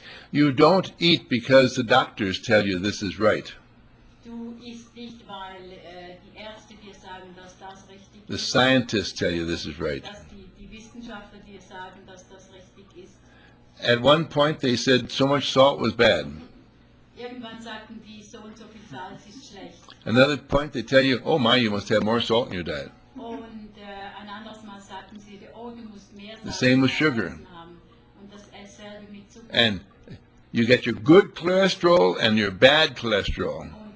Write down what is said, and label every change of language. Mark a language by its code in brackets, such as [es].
[en] You don't eat because the doctors tell you this is right. [de] Du isst nicht, weil die Ärzte dir sagen, dass das richtig ist. [en] The scientists tell you this is right. [de] Dass die Wissenschaftler dir sagen, dass das richtig ist. [en] At one point they said so much salt was bad. [de] Irgendwann sagten die, so und so viel Salz ist schlecht. [en] Another point they tell you, oh my, you must have more salt in your diet. [de] Und ein anderes Mal sagten sie, oh, du musst mehr Salz. [en] The same with sugar. [de] Und das selbe mit Zucker. [en] And you get your good cholesterol and your bad cholesterol.